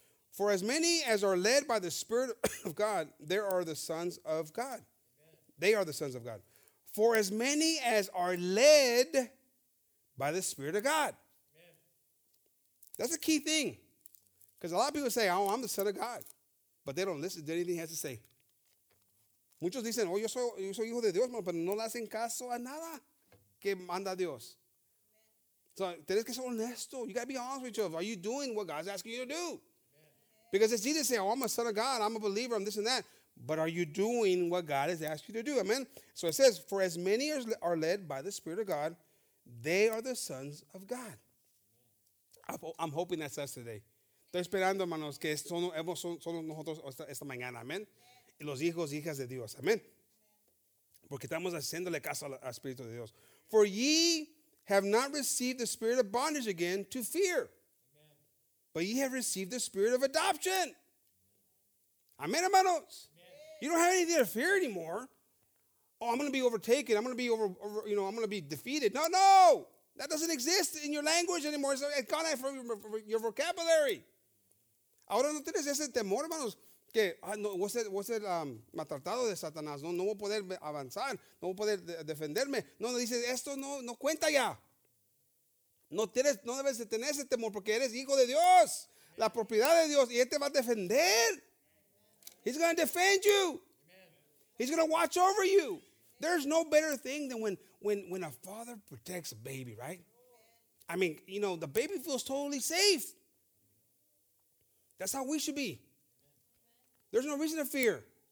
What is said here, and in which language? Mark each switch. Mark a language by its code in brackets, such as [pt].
[en] For as many as are led by the Spirit of God, there are the sons of God. Amen. They are the sons of God. For as many as are led by the Spirit of God. Amen. That's a key thing. Because a lot of people say, oh, I'm the son of God. But they don't listen to anything he has to say. [es] Muchos dicen, oh, yo soy hijo de Dios, pero no le hacen caso a nada que manda Dios. So, tienes que ser honesto. [en] You got to be honest with yourself. Are you doing what God's asking you to do? Amen. Because it's easy to say, oh, I'm a son of God. I'm a believer. I'm this and that. But are you doing what God has asked you to do? Amen? So it says, for as many as are led by the Spirit of God, they are the sons of God. I'm hoping that's us today. [es] Estoy esperando, hermanos, que son nosotros esta mañana. Amen? Y los hijos y hijas de Dios. Amen? Porque estamos haciéndole caso al Espíritu de Dios. [en] For ye have not received the spirit of bondage again to fear. Amen. But ye have received the spirit of adoption. Amen, hermanos. Amen. You don't have anything to fear anymore. Oh, I'm going to be overtaken. I'm going to be over, you know, I'm going to be defeated. No, no. That doesn't exist in your language anymore. It's gone out from your vocabulary. [es] Ahora no tienes ese temor, hermanos. Que no, voy a ser maltratado de Satanás. No voy a poder avanzar. No voy a poder defenderme. No, no, dice, esto no cuenta ya. No debes de tener ese temor porque eres hijo de Dios. La propiedad de Dios. Y Él te va a defender. [en] He's going to defend you. He's going to watch over you. There's no better thing than when a father protects a baby, right? I mean, you know, the baby feels totally safe. That's how we should be. There's no reason to fear.